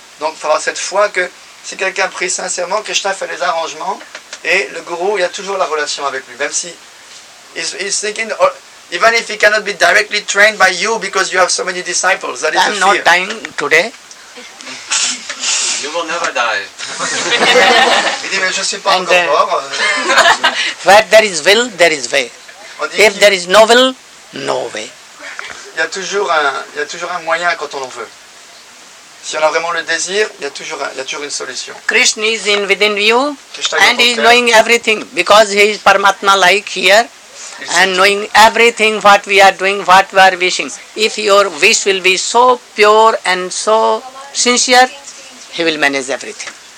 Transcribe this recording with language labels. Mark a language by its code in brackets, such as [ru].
[fr] Donc il faudra cette foi que si quelqu'un prie sincèrement, Krishna fait les arrangements et le Guru, il y a toujours la relation avec lui. Même si [en] he's thinking... Even if he cannot be directly trained by you because you have so many disciples, that is a fear. I'm not dying today. You will never die. [fr] Il dit, mais je ne suis pas encore mort. [en] Where there is will, there is way. If there is no will, no way. [fr] Il y a toujours un moyen quand on en veut. Si on a vraiment le désir, il y a toujours une solution. [en] Krishna is in within you and he is knowing everything because he is Paramatma-like here. And knowing everything what we are doing, what we are wishing. If your wish will be so pure and so sincere, he will manage everything.